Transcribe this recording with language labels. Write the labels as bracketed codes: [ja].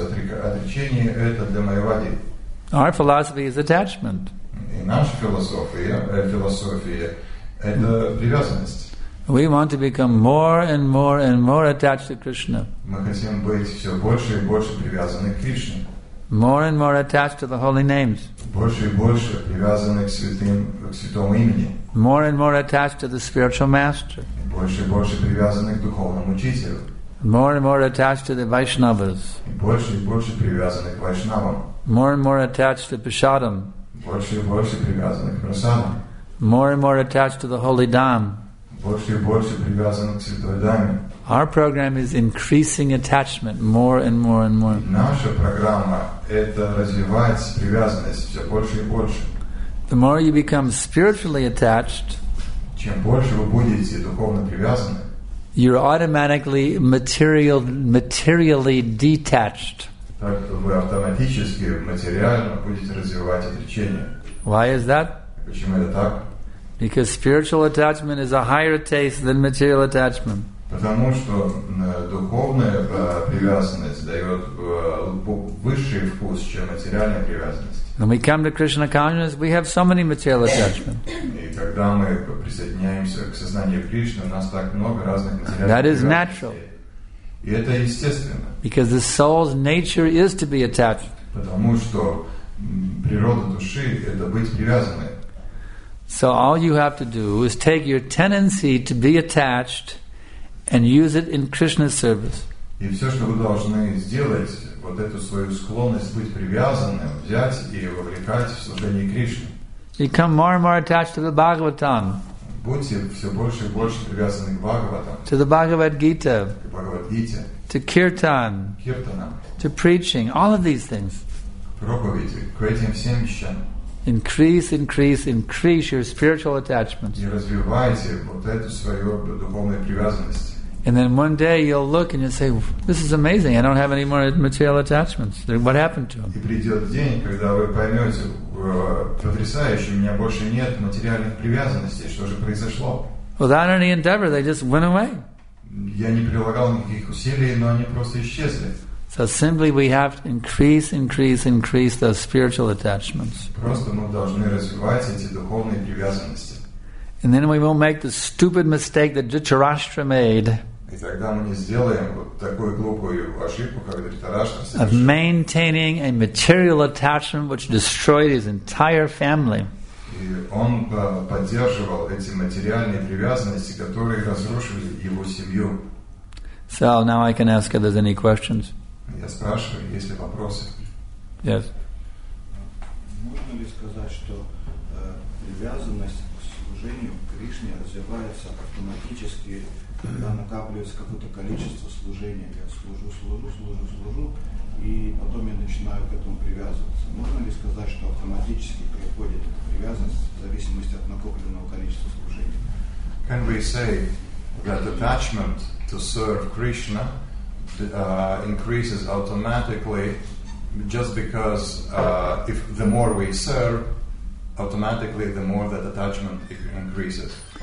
[ru] Отречение это для Майявади. [en] Our philosophy is attachment. [ru] И наша философия это привязанность. [en] We want to become more and more and more attached to Krishna. [ru] Мы хотим быть все больше и больше привязаны к Кришне. [en] More and more attached to the holy names. [ru] Больше и больше привязаны к святым, к святому имени. [en] More and more attached to the spiritual master. [ru] Больше и больше привязаны к духовному учителю. [en] More and more attached to the Vaishnavas. [ru] Больше и больше привязаны к Вайшнавам. [en] More and more attached to Prasadam. [ru] Больше и больше привязаны к Прасаду. [en] More and more attached to the holy dham. [ru] Больше и больше привязаны к святой даме. [en] Our program is increasing attachment more and more and more. [ru] Наша программа это развивается привязанность все больше и больше. [en] The more you become spiritually attached, [ru] чем больше вы будете духовно привязаны, [en] you're automatically materially detached. [ru] Так вы автоматически материально будете развивать отречение. [en] Why is that? [ru] Почему это так? [en] Because spiritual attachment is a higher taste than material attachment. [ru] Потому что духовная привязанность дает высший вкус, чем материальная привязанность. [en] When we come to Krishna consciousness, we have so many material attachments. [ru] И когда мы присоединяемся к сознанию Кришны, у нас так много разных материальных. [en] That is natural. [ru] И это естественно. [en] Because the soul's nature is to be attached. [ru] Потому что природа души это быть привязанной. [en] So all you have to do is take your tendency to be attached and use it in Krishna's service. [ru] И все, что вы должны сделать, вот эту свою склонность быть привязанным, взять и вовлекать в служение Кришне. [en] Become more and more attached to the Bhagavatam. [ru] Будьте все больше и больше привязаны к Бхагаватам. [en] To the Bhagavad Gita. [ru] К Бхагавад-гите. [en] To Kirtan. [ru] Киртанам. [en] To preaching. All of these things. [ru] Проповеди. К этим всем вещам. [en] Increase, increase, increase your spiritual attachment. [ru] И развивайте вот эту свою духовную привязанность. [en] And then one day you'll look and you'll say, this is amazing, I don't have any more material attachments. What happened to them? [ru] И придет день, когда вы поймете, потрясающе, у меня больше нет материальных привязанностей. Что же произошло? [en] Without any endeavor, they just went away. [ru] Я не прилагал никаких усилий, но они просто исчезли. [en] So simply we have to increase, increase, increase those spiritual attachments. [ru] Просто мы должны развивать эти духовные привязанности. [en] And then we won't make the stupid mistake that Dhritarashtra made. [ru] И тогда мы не сделаем вот такую глупую ошибку, как Дхритараштра. [en] Of maintaining a material attachment which destroyed his entire family. [ru] И он поддерживал эти материальные привязанности, которые разрушили его семью. [en] So now I can ask if there's any questions. [ru] Я спрашиваю, есть ли вопросы? [en] Yes. [ru] Можно ли сказать, что привязанность к служению Кришне развивается автоматически, когда накапливается какое-то количество служения? Я служу, и потом я начинаю к этому привязываться. Можно ли сказать, что автоматически приходит эта привязанность в зависимости от накопленного количества служений? [en] Can we say that attachment to serve Krishna increases automatically just because if the more we serve, automatically the more that attachment increases?